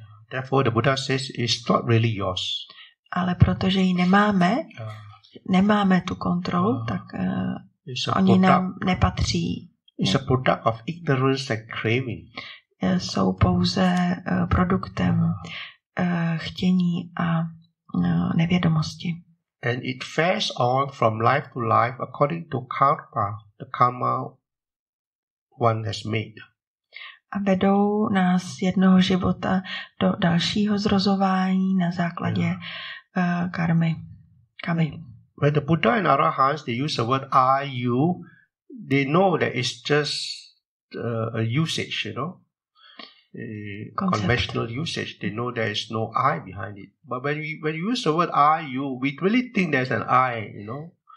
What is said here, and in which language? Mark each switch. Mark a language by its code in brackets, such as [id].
[en] Therefore the Buddha says it's not really yours. [cs] Ale protože ji nemáme tu kontrolu, tak oni nám nepatří. [en] It's a product of ignorance and craving. [cs] Jsou pouze produktem chtění a nevědomosti. [en] And it fares on from life to life according to karma, the karma one has made. [cs] A vedou nás jednoho života do dalšího zrozování na základě karmy. Kamy. [en] When the Buddha and Arahants, they use the word I, you, they know that it's just a usage, you know. Concept. Conventional usage, they know there is no I behind it. But when you use the word I, you, we really think there's an I, you know.